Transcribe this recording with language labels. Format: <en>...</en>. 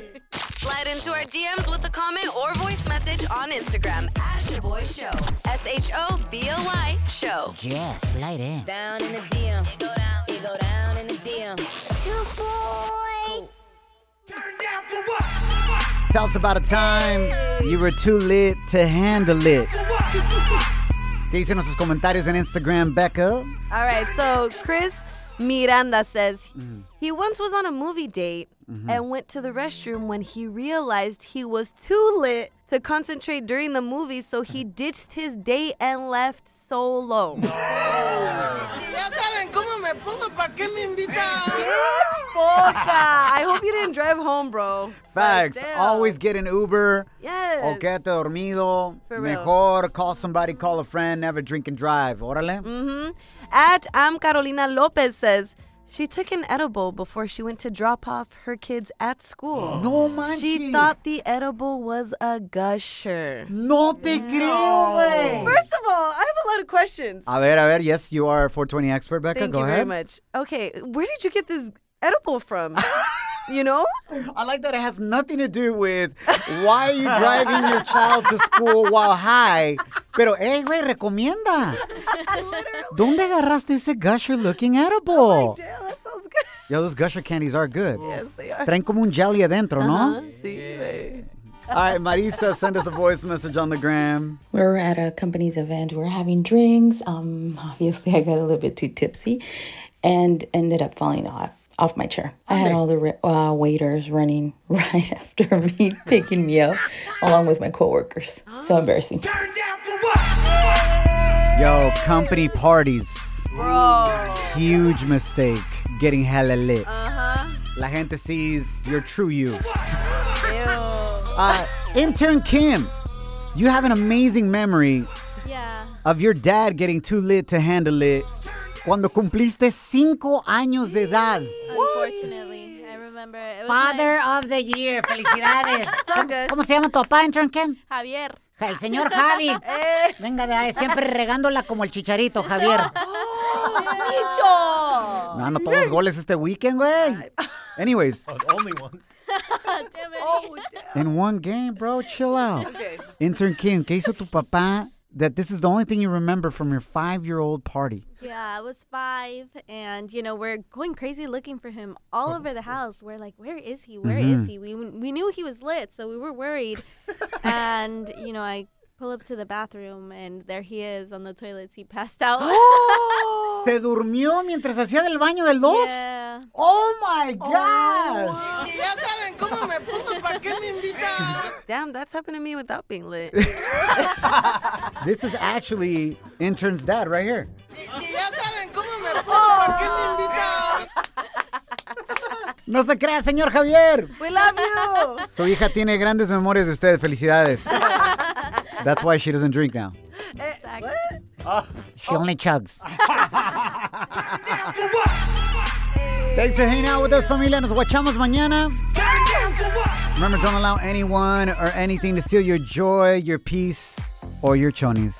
<en>Slide into our DMs with a comment or voice message on Instagram at Shaboy Show. S-H-O-B-O-Y Show. Yeah, slide in. Down in the DM. You go down. Tell us about a time you were too lit to handle it.</en> <es>¿Qué dicen nuestros comentarios en Instagram, Becca?</es> <en>All right, so Chris Miranda says, he once was on a movie date and went to the restroom when he realized he was too lit to concentrate during the movie, so he ditched his date and left solo.</en> <es>Ya saben cómo me pongo, ¿para qué me invitan? Poca.</es> <en>I hope you didn't drive home, bro. Facts. Like, always get an Uber. Yes.</en> <es>O quédate dormido.</es> <en>For real.</en> <es>Mejor</es> <en>call somebody, call a friend, never drink and drive.</en> <es>Órale.</es> <en>At Am Carolina Lopez says, She took an edible before she went to drop off her kids at school.</en> <es>Oh. No manches.</es> <en>She thought the edible was a gusher.</en> <es>No te creo, wey.</es> <en>First of all, I have a lot of questions.</en> <es>A ver.</es> <en>Yes, you are a 420 expert, Becca. Thank Go ahead. Thank you very much. Okay, where did you get this edible from? You know? I like that it has nothing to do with why are you driving your child to school while high.</en> <es>Pero, hey, güey, recomienda.</es> <en>Literally.</en> <es>¿Dónde agarraste ese</es> <en>gusher-looking edible? Oh, my God, that sounds good. Yo, those gusher candies are good. Yes, they are.</en> <es>Traen como un</es> <en>jelly</en> <es>adentro, uh-huh. ¿no? Sí, güey.</es> <en>All right, Marisa, send us a voice message on the gram. We're at a company's event. We're having drinks. Obviously, I got a little bit too tipsy and ended up falling off my chair. I had all the waiters running right after me, picking me up, along with my coworkers. So embarrassing. Yo, company parties. Bro. Huge mistake. Getting hella lit. Uh-huh.</en> <es>La gente</es> <en>sees your true you. Ew. Intern Kim, you have an amazing memory of your dad getting too lit to handle it</en> <es>cuando cumpliste 5 años de edad.</es> <en>Unfortunately, I remember. It was Father of the year, felicidades. So good.</en> <es>¿Cómo se llama tu papá, intern Kim? Javier. El señor Javi. Venga, de ahí, siempre regándola como el chicharito, Javier. ¡Bicho! No, no todos los goles este</es> <en>weekend,</en> <es>güey.</es> <en>Anyways. Oh, only ones. In one game, bro, chill out. Okay. Intern Kim,</en> <es>¿qué hizo tu papá</es> <en>that this is the only thing you remember from your 5-year-old party? Yeah, I was 5, and, you know, we're going crazy looking for him all over the house. We're like, where is he? Where mm-hmm. is he? We knew he was lit, so we were worried. And, you know, I pull up to the bathroom, and there he is on the toilet. He passed out.</en> <es>Se durmió mientras hacía del baño de los.</es> <en>Yeah. Oh my God.</en> <es>Ya saben cómo me pongo, ¿para qué me invitan?</es> <en>Damn, that's happened to me without being lit. This is actually intern's dad right here.</en> <es>Ya saben cómo me pongo, ¿para qué me invitan? No se crea, señor Javier.</es> <en>We love you.</en> <es>Su hija tiene grandes memorias de usted. Felicidades.</es> <en>That's why she doesn't drink now. She only chugs. Thanks for hanging out with us, familia.</en> <es>Nos guachamos mañana.</es> <en>Remember, don't allow anyone or anything to steal your joy, your peace, or your chonies.</en>